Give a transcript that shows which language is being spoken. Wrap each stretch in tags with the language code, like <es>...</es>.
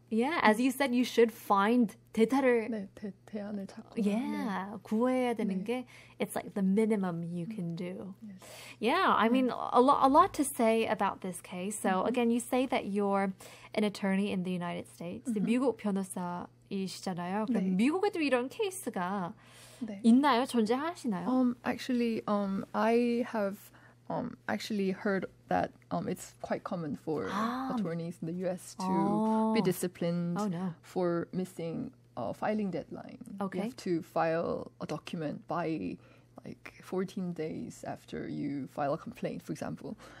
<en>Yeah, as you said, you should find</en> <ko>대타를 네, 대안을 찾고</ko> <en>Yeah,</en> <ko>네. 구해야 되는 네. 게</ko> <en>It's like the minimum you can do. Yes. Yeah, I mean, a lot to say about this case. So again, you say that you're an attorney in the United States.</en> <ko>미국 변호사이시잖아요. 그럼 네. 미국에도 이런 케이스가 네. 있나요? 존재하시나요?</ko> <en>I have actually heard that it's quite common for attorneys in the U.S. to be disciplined for missing a filing deadline. Okay. You have to file a document by like 14 days after you file a complaint, for example.</en>